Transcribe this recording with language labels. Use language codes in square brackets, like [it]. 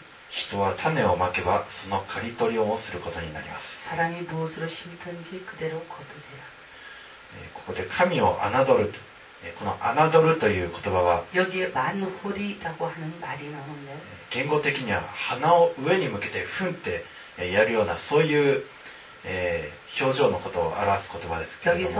[ja] 人は種をまけばその刈り取りをもすることになります。 [ko] 사람이무엇으로심든지그대로거두리라 [ja] ここで神を侮る、この侮るという言葉は [ko] 여기에만홀이라고하는말이나오네 [ja] 言語的には鼻を上に向けてふんってやるようなそういう、表情のことを表す言葉ですけれども